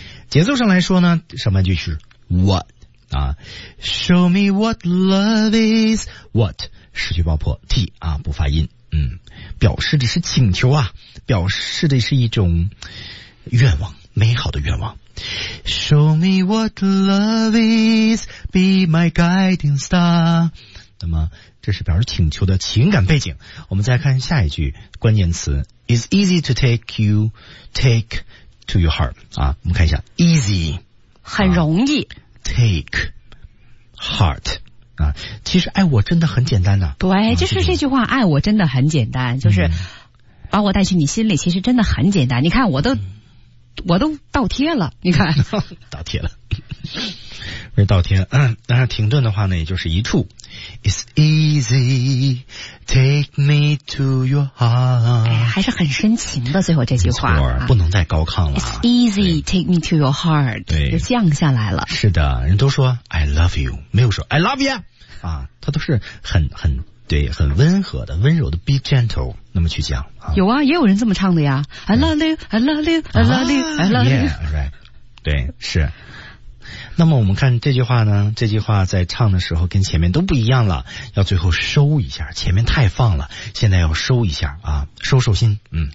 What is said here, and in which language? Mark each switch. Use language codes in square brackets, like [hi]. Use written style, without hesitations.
[zh] 节奏上来说呢，上半句是 what 啊 ， [en] Show me what love is， [zh] what 失去爆破 t 啊不发音，嗯，表示的是请求啊，表示的是一种愿望，美好的愿望。 [en] Show me what love is, be my guiding star。 [zh] 那么，这是表示请求的情感背景。我们再看下一句关键词 [en] ：It's easy to take you, take to your heart。 [zh] 啊，我们看一下 ，easy，很容易、啊、，take heart。啊，其实爱我真的很简单呐、啊。对、啊，就是这句话，爱我真的很简单，就是把我带去你心里，其实真的很简单。你看，我都倒贴了，你看，倒贴了，不是倒贴。嗯，但是停顿的话呢，也就是一处。 [en] It's easy, take me to your heart。 [zh] 哎，还是很深情的，最后这句话，没错，不能再高亢了。 [en] It's easy, take me to your heart。 [zh] 对，就降下来了。是的，人都说 [en] I love you， [zh] 没有说 I love you 啊，他都是很。对，很温和的，温柔的 ， [en] be gentle， [zh] 那么去讲、啊。有啊，也有人这么唱的呀。 [en] I love you, I love you, I love you, I love you. Yeah, right. [zh] 对，是。那么我们看这句话呢，这句话在唱的时候跟前面都不一样了，要最后收一下，前面太放了，现在要收一下啊，收收心。嗯。